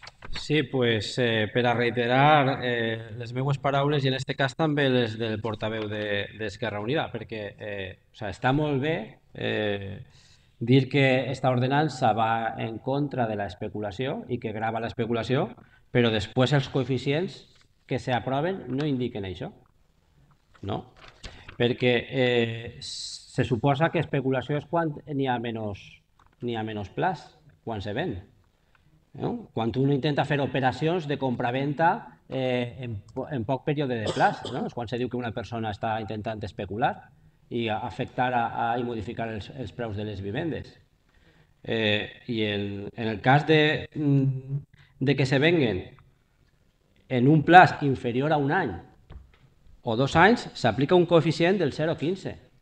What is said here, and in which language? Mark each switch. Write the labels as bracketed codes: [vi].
[es] Sí, pues para reiterar las [ca] meues paraules [es] y en este caso también [ca] les del portaveu de [es] Esquerra Unida, porque o sea, está muy bien decir que esta ordenanza va en contra de la especulación y que grava la especulación, pero después los [ca] coeficients que se aproven no indiquen [es] eso, ¿no? [ca] Porque se suposa que especulació és quan n'hi ha menys plaç, quan se ven. [es] Cuando uno intenta hacer operaciones de compraventa en poco periodo de plazo, ¿no? Es cuando se dice que una persona está intentando especular y afectar y modificar los precios de las viviendas. Y en el caso de que se venguen en un plazo inferior a un año o dos años, se aplica un coeficiente del 0,15.